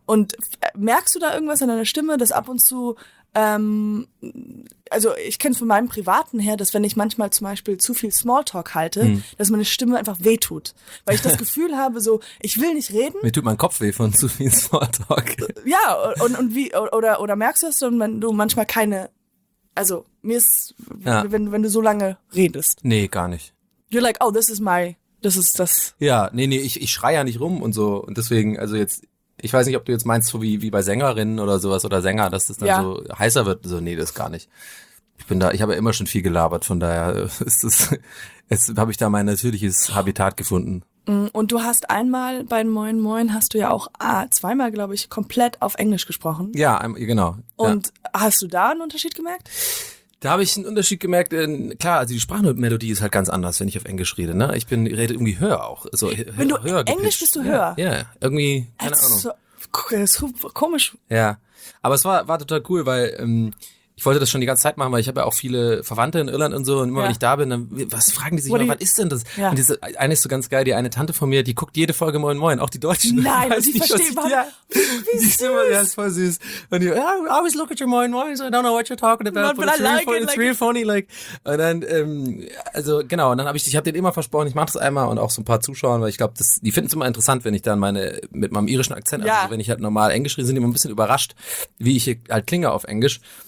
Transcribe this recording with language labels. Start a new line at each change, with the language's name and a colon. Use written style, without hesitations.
German: Und merkst du da irgendwas an deiner Stimme, dass ab und zu, also ich kenne es von meinem Privaten her, dass wenn ich manchmal zum Beispiel zu viel Smalltalk halte, dass meine Stimme einfach wehtut. Weil ich das Gefühl habe, so, ich will nicht reden. Mir tut mein Kopf weh von zu viel Smalltalk. Ja, und wie, oder merkst du es, wenn du manchmal keine. Also, mir ist, wenn du so lange redest. Nee, gar nicht.
English: You're like, oh, this is das.
German: Ja, nee, ich schreie ja nicht rum und so. Und deswegen, also jetzt, ich weiß nicht, ob du jetzt meinst, so wie bei Sängerinnen oder sowas oder Sänger, dass das dann so heißer wird. So, nee, das gar nicht. Ich habe ja immer schon viel gelabert, von daher ist das, jetzt habe ich da mein natürliches Habitat gefunden. Und du hast einmal bei Moin Moin, hast du ja auch zweimal, glaube ich, komplett auf Englisch gesprochen. Ja, genau. Und hast du da einen Unterschied gemerkt? Da habe ich einen Unterschied gemerkt. Klar, also die Sprachmelodie ist halt ganz anders, wenn ich auf Englisch rede. Ne? Ich rede irgendwie höher auch. Also wenn du Englisch bist, du höher? Ja, irgendwie, keine Ahnung. komisch. Ja, aber es war total cool, weil ich wollte das schon die ganze Zeit machen, weil ich habe ja auch viele Verwandte in Irland und so. Und immer, ja, wenn ich da bin, dann was fragen die sich immer, was ist denn das? Ja. Und diese eine ist so ganz geil, die eine Tante von mir, die guckt jede Folge Moin Moin, auch die Deutschen. Nein, und ich verstehe, was ich, ja, wie die süß. Immer, ja, ist voll süß. Und die,
English: I always look at your Moin Moin, so I don't know what you're talking about. Not, but it's, I like real, it, like it's real funny. Like.
German: Und dann, also genau, und dann habe ich denen immer versprochen, ich mache das einmal und auch so ein paar Zuschauern, weil ich glaube, die finden es immer interessant, wenn ich dann mit meinem irischen Akzent, ja, also wenn ich halt normal Englisch rede, sind die immer ein bisschen überrascht, wie ich hier halt klinge auf Englisch.